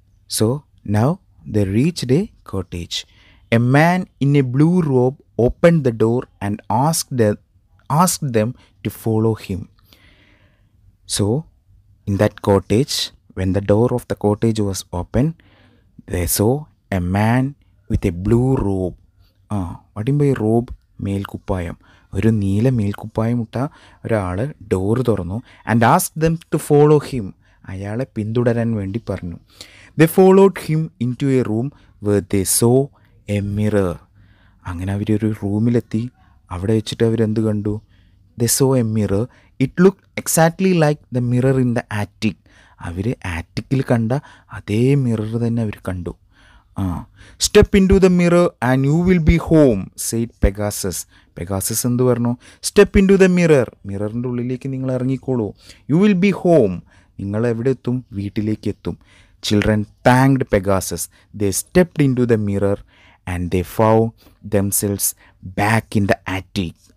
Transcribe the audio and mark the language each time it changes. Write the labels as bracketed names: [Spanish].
[English] So now they reached a cottage. A man in a blue robe opened the door and asked them to follow him. So in that cottage, when the door of the cottage was open, they saw a man with a blue robe. [Malayalam] വടിമ്പോ Rob, മേൽക്കുപ്പായം. ഒരു നീല മേൽക്കുപ്പായം ഇട്ട ഒരാൾ door തുറന്നു. [English] and ask them to follow him, [Malayalam] അയാളെ പിന്തുടരാൻ വേണ്ടി പറഞ്ഞു. [English] They followed him into a room where they saw a mirror. [Malayalam] അങ്ങനെ അവരൊരു റൂമിലെത്തി, അവിടെ വെച്ചിട്ട് അവരെന്ത് കണ്ടു? [English] They saw a mirror, it look exactly like the mirror in the attic. [Malayalam] അവർ ആറ്റിക്കിൽ കണ്ട അതേ മിറർ തന്നെ അവർ കണ്ടു. [English] Step into the mirror and you will be home, said Pegasus. [Malayalam] Pegasus endu parnu? [English] Step into the mirror. [Malayalam] Mirrorinte ullilekku ningal irangikollu. [English] You will be home. [Malayalam] Ningal evide ettum? Veettilekku ettum. [English] Children thanked Pegasus. They stepped into the mirror and they found themselves back in the attic.